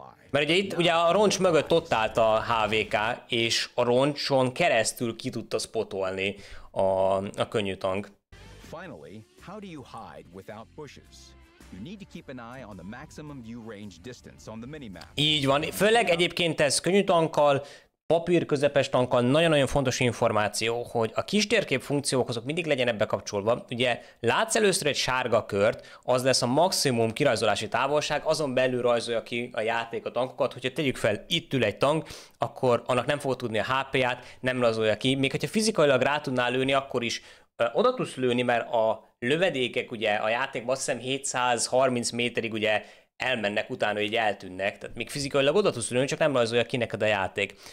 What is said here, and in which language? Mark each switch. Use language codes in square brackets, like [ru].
[hu] Mert ugye itt ugye a roncs mögött ott állt a HVK, és a roncson keresztül ki tudta spotolni a könnyű tank. [en] Finally, how do you hide without bushes? You need to keep an eye on the maximum view range distance on the minimap. [hu] Így van, főleg egyébként ez könnyű tankkal, papír közepes tankkal nagyon-nagyon fontos információ, hogy a kis térkép funkciók azok mindig legyenek bekapcsolva. Ugye látsz először egy sárga kört, az lesz a maximum kirajzolási távolság, azon belül rajzolja ki a játék a tankokat, hogyha tegyük fel, itt ül egy tank, akkor annak nem fog tudni a HP-ját, nem rajzolja ki, még hogyha fizikailag rá tudnál lőni, akkor is oda tudsz lőni, mert a lövedékek ugye a játékban azt hiszem 730 méterig ugye elmennek, utána így eltűnnek, tehát még fizikailag oda tudsz lőni, csak nem rajzolja ki neked a játék.